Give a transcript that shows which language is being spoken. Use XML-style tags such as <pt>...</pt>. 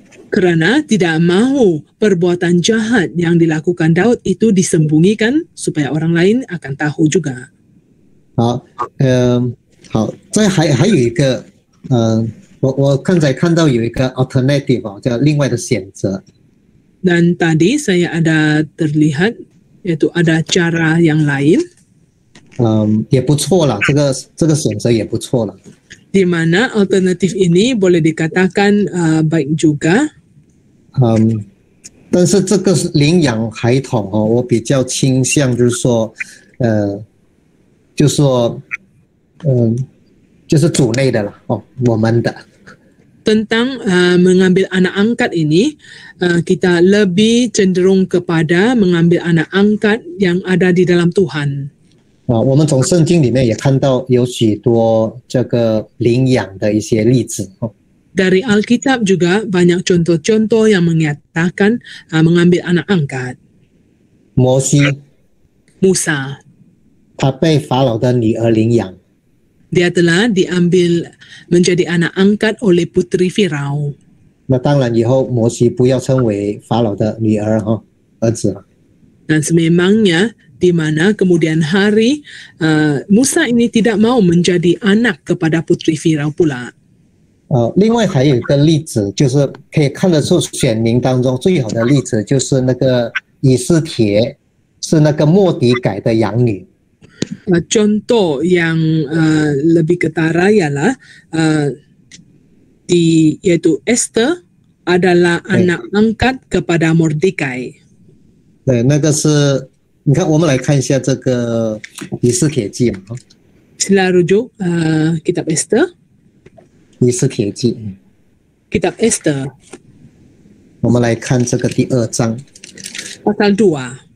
<ms>Karena tidak mahu perbuatan jahat yang dilakukan Daud itu disembunyikan supaya orang lain akan tahu juga.</ms> <zh>好，好，再还有一个，我刚才看到有一个 alternative 叫另外的选择。</zh> <ms>Dan tadi saya ada terlihat yaitu ada cara yang lain.</ms> <zh>也不错啦，这个选择也不错啦。</zh> <ms>Di mana alternatif ini boleh dikatakan baik juga.</ms> <zh>但是这个领养孩童哦，我比较倾向就是说，就是说，就是主内的啦，哦，我们的。</zh> <ms>Tentang mengambil anak angkat ini, kita lebih cenderung kepada mengambil anak angkat yang ada di dalam Tuhan.</ms> <zh>我们从圣经里面也看到有许多这个领养的一些例子。</zh> <ms>Dari Alkitab juga banyak contoh-contoh yang menyatakan mengambil anak angkat. Musa. Dia telah Farao dan Nia Lingyang. Dia telah diambil menjadi anak angkat oleh putri Firau.</ms> <zh>那当然以后摩西不要称为法老的女儿哈儿子。</zh> <ms>Dan sememangnya di mana kemudian hari Musa ini tidak mau menjadi anak kepada putri Firau pula.</ms> <zh>另外还有一个例子，就是可以看得出选民当中最好的例子就是那个以斯帖，是那个莫迪改的养女。</zh> <ms>Contoh yang lebih ketara ialah iaitu Esther adalah anak angkat kepada Mordekai.</ms> <zh>对，那个是，你看，我们来看一下这个以斯帖记嘛。</zh> <ms>Sila rujuk kitab Esther.</ms> <zh>以斯帖记。</zh> <ms>Kitab Esther.</ms> <zh>我们来看这个第二章。</zh> <ms>Pasal dua.</ms>